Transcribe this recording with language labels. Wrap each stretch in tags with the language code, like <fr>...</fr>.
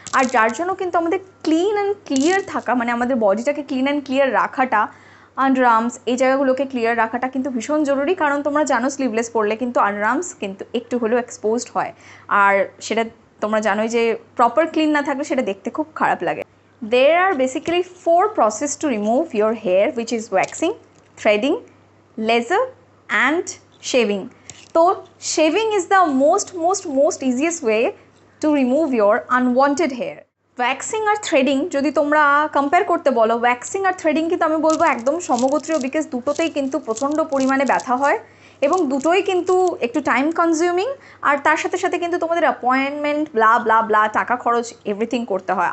<bn>আর যার জন্য কিন্তু আমাদের ক্লিন অ্যান্ড ক্লিয়ার থাকা, মানে আমাদের বডিটাকে ক্লিন অ্যান্ড ক্লিয়ার রাখাটা, আন্ডারআর্মস এই জায়গাগুলোকে ক্লিয়ার রাখাটা কিন্তু ভীষণ জরুরি। কারণ তোমরা জানো, স্লিভলেস পরলে কিন্তু আন্ডারআর্মস কিন্তু একটু হলেও এক্সপোজড হয়, আর সেটা তোমরা জানোই যে প্রপার ক্লিন না থাকলে সেটা দেখতে খুব খারাপ লাগে।</bn> <en>There are basically 4 processes to remove your hair, which is waxing, threading, laser and shaving. So shaving is the most easiest way to remove your unwanted hair.</en> <bn>Waxing আর threading যদি তোমরা compare করতে বলো, waxing আর threading কিন্তু আমি বলবো একদম সমগোত্রীয়, because দুটোতেই কিন্তু প্রচণ্ড পরিমাণে ব্যথা হয় এবং দুটোই কিন্তু একটু টাইম কনজিউমিং, আর তার সাথে সাথে কিন্তু তোমাদের অ্যাপয়েন্টমেন্ট ব্লা ব্লা ব্লা টাকা খরচ এভরিথিং করতে হয়।</bn>